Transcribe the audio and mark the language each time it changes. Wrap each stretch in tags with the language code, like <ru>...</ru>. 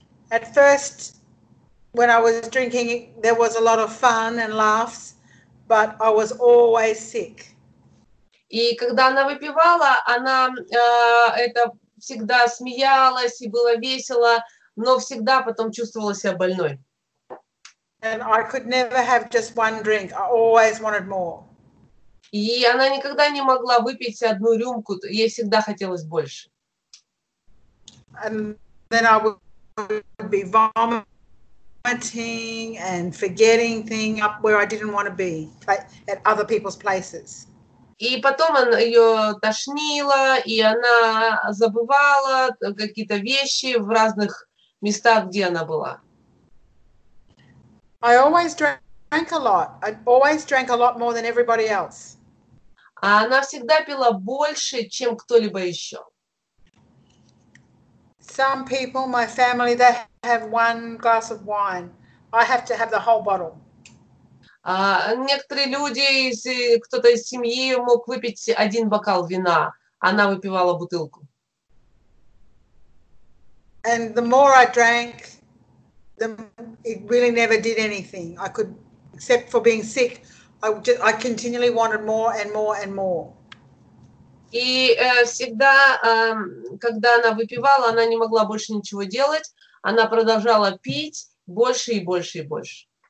<en>At first, when I was drinking, there was a lot of fun and laughs, but I was always sick.</en> <ru>И когда она выпивала, она это всегда смеялась и было весело, но всегда потом чувствовала себя больной.</ru> <en>And I could never have just one drink. I always wanted more.</en> <ru>И она никогда не могла выпить одну рюмку, ей всегда хотелось больше.</ru> <en>And then I would be vomiting and forgetting things up where I didn't want to be, at other people's places.</en> <ru>И потом она ее тошнила, и она забывала какие-то вещи в разных местах, где она была.</ru> <en>I always drank a lot. I always drank a lot more than everybody else.</en> <ru>А она всегда пила больше, чем кто-либо еще.</ru> <en>Some people, my family, they have one glass of wine. I have to have the whole bottle.</en> <ru>Некоторые люди, кто-то из семьи мог выпить один бокал вина, она выпивала бутылку.</ru> <en>And the more I drank, the it really never did anything. I could, except for being sick, I continually wanted more and more and more.</en> <ru>И всегда, когда она выпивала, она не могла больше ничего делать, она продолжала пить больше и больше и больше.</ru>